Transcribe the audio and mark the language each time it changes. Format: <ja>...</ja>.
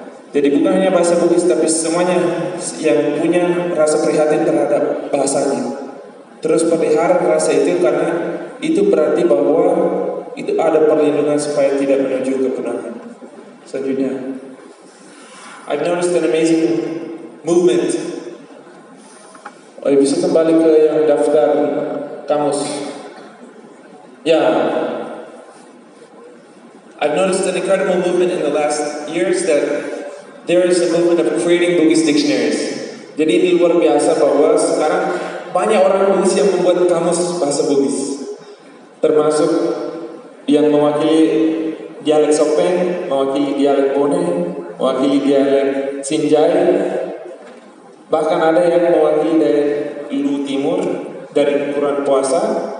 <id>Jadi bukan hanya bahasa Bugis tapi semuanya yang punya rasa prihatin terhadap bahasanya terus pelihara rasa itu karena itu berarti bahwa itu ada perlindungan supaya tidak menuju ke punahan. Selanjutnya,</id> <en>I've noticed an amazing movement.</en> <id>Oh, bisa kembali ke yang daftar kamus. Ya. Yeah.</id> <en>I've noticed an incredible movement in the last years that there is a movement of creating Bugis dictionaries.</en> <id>Jadi ini luar biasa bahwa sekarang banyak orang Bugis yang membuat kamus bahasa Bugis. Termasuk yang mewakili dialek Sopeng, mewakili dialek Bone, mewakili dialek Sinjai. Bahkan ada yang mewakili dari Lu Timur, dari ukuran puasa.</id>